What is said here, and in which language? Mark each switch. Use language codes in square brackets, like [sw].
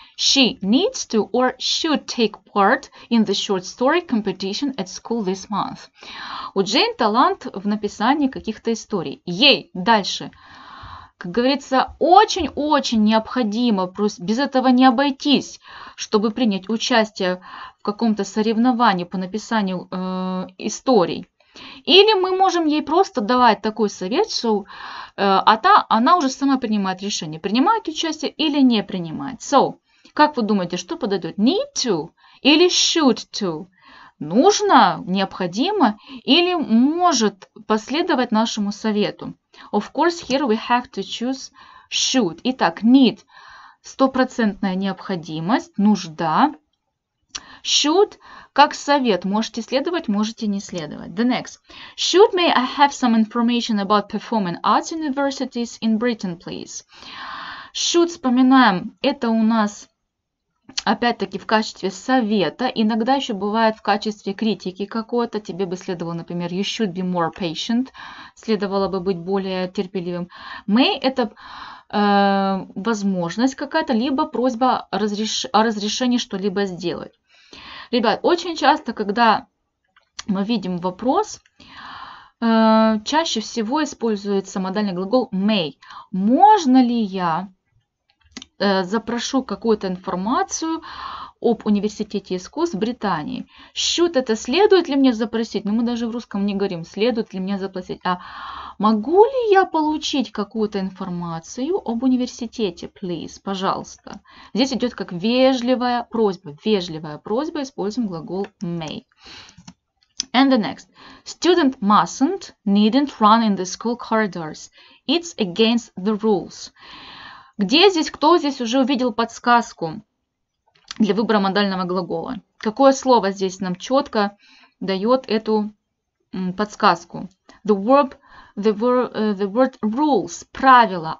[en] She needs to or should take part in the short story competition at school this month. [ru] У Джейн талант в написании каких-то историй. Ей дальше. Как говорится, очень-очень необходимо, без этого не обойтись, чтобы принять участие в каком-то соревновании по написанию историй. Или мы можем ей просто давать такой совет, что она уже сама принимает решение, принимать участие или не принимать. So, как вы думаете, что подойдет? [en] Need to или should to? [ru] Нужно, необходимо или может последовать нашему совету? [en] Of course, here we have to choose should. [ru] Итак, need – стопроцентная необходимость, нужда. Should – как совет. Можете следовать, можете не следовать. [en] The next. Should may I have some information about performing arts universities in Britain, please? [ru] Should, вспоминаем, это у нас, опять-таки, в качестве совета. Иногда еще бывает в качестве критики какой-то. Тебе бы следовало, например, [en] you should be more patient. [ru] Следовало бы быть более терпеливым. May – это возможность какая-то, либо просьба о разрешении что-либо сделать. Ребят, очень часто, когда мы видим вопрос, чаще всего используется модальный глагол may. Можно ли я запрошу какую-то информацию об университете искусств в Британии? Should это, следует ли мне запросить? Но мы даже в русском не говорим, следует ли мне запросить. А могу ли я получить какую-то информацию об университете, please, пожалуйста? Здесь идет как вежливая просьба. Вежливая просьба, используем глагол may. [en] And the next. Student mustn't, needn't run in the school corridors. It's against the rules. [ru] Где здесь, кто здесь уже увидел подсказку для выбора модального глагола? Какое слово здесь нам четко дает эту подсказку? [en] The word rules – правила.